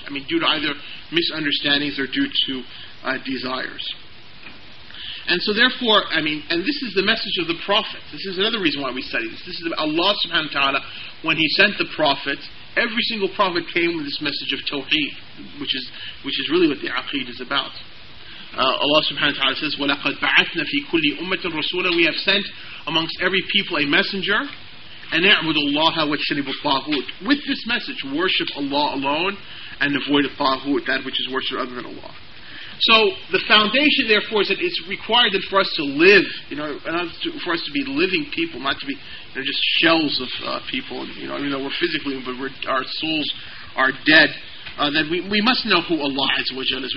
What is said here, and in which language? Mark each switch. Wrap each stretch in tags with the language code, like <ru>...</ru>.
<en>I mean, due to either misunderstandings or due to desires. And so therefore, I mean, and this is the message of the prophets. This is another reason why we study this. This is Allah subhanahu wa ta'ala, when he sent the prophets, every single prophet came with this message of tawheed, which is really what the aqid is about. Allah subhanahu wa ta'ala says,</en> <ar>وَلَقَدْ بَعَثْنَا فِي كُلِّ أُمَّةٍ رَسُولًا.</ar> <en>We have sent amongst every people a messenger, and</en> <ar>اَعْبُدُ اللَّهَ وَاجْتَنِبُ الطَّاغُوتِ.</ar> <en>With this message, worship Allah alone and avoid the طَاغُوتِ, that which is worshipped other than Allah. So the foundation, therefore, is that it's required that for us to live, you know, for us to be living people, not to be, you know, just shells of people, you know, even though we're physically, but our souls are dead, that we must know who Allah Azza wa Jalla is.</en>